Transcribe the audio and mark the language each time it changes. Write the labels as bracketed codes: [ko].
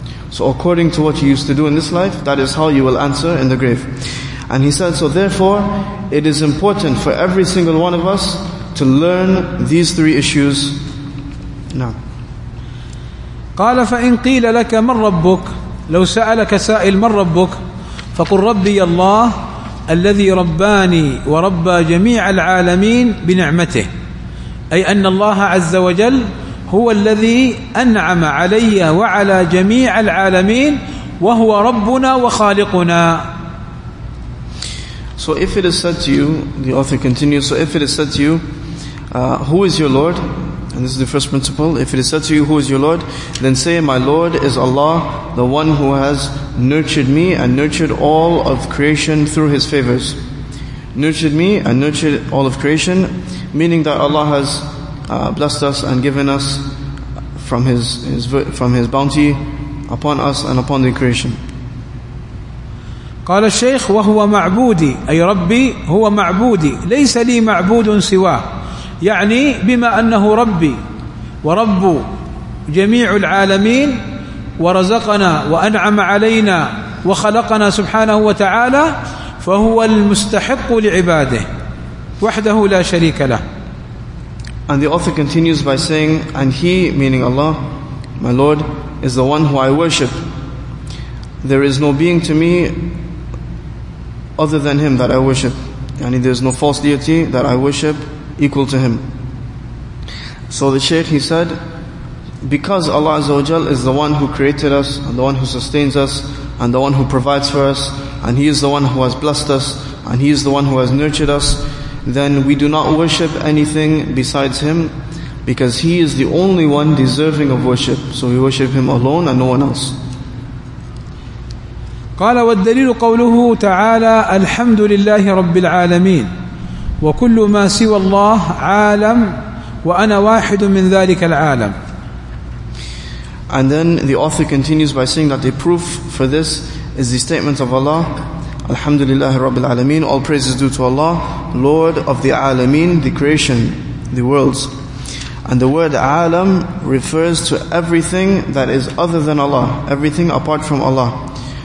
[en] So according to what you used to do in this life, that is how you will answer in the grave. And he said, so therefore, it is important for every single one of us to learn these three issues now. [ar] قال فإن قيل لك من ربك لو سألك سائل من ربك فقل ربي الله الذي رباني وربى جميع العالمين بنعمته، أي أن الله عز وجل هو الذي أنعم علي وعلى جميع العالمين وهو ربنا وخالقنا. [en] So if it is said to you, the author continues, so if it is said to you, who is your Lord? And this is the first principle. If it is said to you, who is your Lord? Then say, my Lord is Allah, the one who has nurtured me and nurtured all of creation through his favors. nurtured me and nurtured all of creation, meaning that Allah has blessed us and given us from His bounty upon us and upon the creation. [ar] قال الشيخ وهو معبودي أي ربي هو معبودي ليس لي معبود سواه يعني بما أنه ربي ورب جميع العالمين ورزقنا وأنعم علينا وخلقنا سبحانه وتعالى فهو المستحق لعباده وحده لا شريك له. [en] And the author continues by saying, and he, meaning Allah, my Lord, is the one who I worship. There is no being to me other than him that I worship. Yani there is no false deity that I worship equal to him. So the Shaykh, he said, because Allah Azza wa Jal is the one who created us, and the one who sustains us, and the one who provides for us, and he is the one who has blessed us, and he is the one who has nurtured us, then we do not worship anything besides him, because he is the only one deserving of worship. So we worship him alone and no one else. [ar] قال والدليل قوله تعالى الحمد لله رب العالمين وكل ما سوى الله عالم وأنا واحد من ذلك العالم. [en] And then the author continues by saying that the proof for this is the statement of Allah [ar] الحمد لله رب العالمين, [en] all praises due to Allah, Lord of the Alameen, the creation, the worlds. And the word عالم refers to everything that is other than Allah, everything apart from Allah.